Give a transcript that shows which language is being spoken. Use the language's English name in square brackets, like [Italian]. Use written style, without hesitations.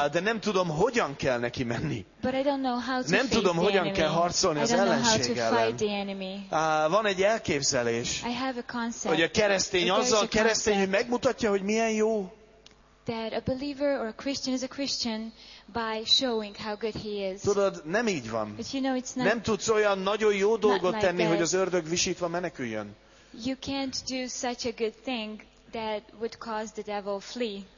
[Hungarian] De nem tudom, hogyan kell neki menni. [English] But I don't know how to [Hungarian] nem [English] face [Hungarian] tudom, hogyan [English] enemy. [Hungarian] Kell harcolni az ellenség ellen. [English] I don't know how to [Hungarian] ellen. [English] Fight the enemy. [Hungarian] Van egy elképzelés. [English] I have a concept. [Hungarian] Hogy a keresztény azzal a keresztény, hogy megmutatja, hogy milyen jó. [English] That a believer or a Christian is a Christian by showing how good he is. [Hungarian] Tudod, nem így van. [English] But you know, it's not, [Hungarian] nem tudsz olyan nagyon jó dolgot tenni, hogy az ördög visítva meneküljön. [English] You can't do such a good thing that would cause the devil flee.